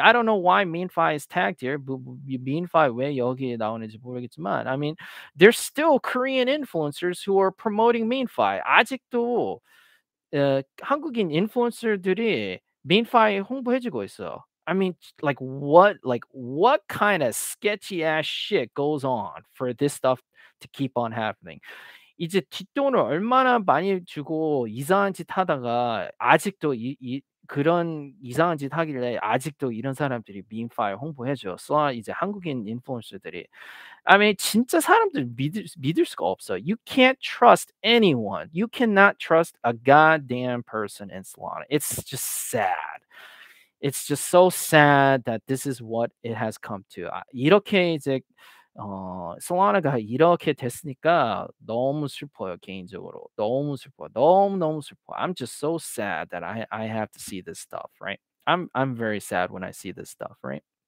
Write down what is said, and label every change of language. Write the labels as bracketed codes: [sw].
[en] I don't know why MeanFi is tagged here, but MeanFi [ko] 왜 여기에 나오는지 모르겠지만, [en] I mean, there's still Korean influencers who are promoting MeanFi. [ko] 아직도 한국인 influencer들이 MeanFi 홍보해주고 있어. [en] I mean, what kind of sketchy-ass shit goes on for this stuff to keep on happening? [ko] 이제 뒷돈을 얼마나 많이 주고 이상한 짓 하다가 아직도 이 그런 이상한 짓 하길래 아직도 이런 사람들이 MeanFi 홍보해줘. 쏘아 이제 한국인 인플루언서들이. [en] I mean, [ko] 진짜 사람들 믿을 수가 없어. [en] You can't trust anyone. You cannot trust a goddamn person in Solana. It's just sad. It's just so sad that this is what it has come to. [ko] 이렇게 이제 Solana가 이렇게 됐으니까 너무 슬퍼요 개인적으로 너무 슬퍼 너무 너무 슬퍼. [en] I'm just so sad that I have to see this stuff, right? I'm very sad when I see this stuff, right?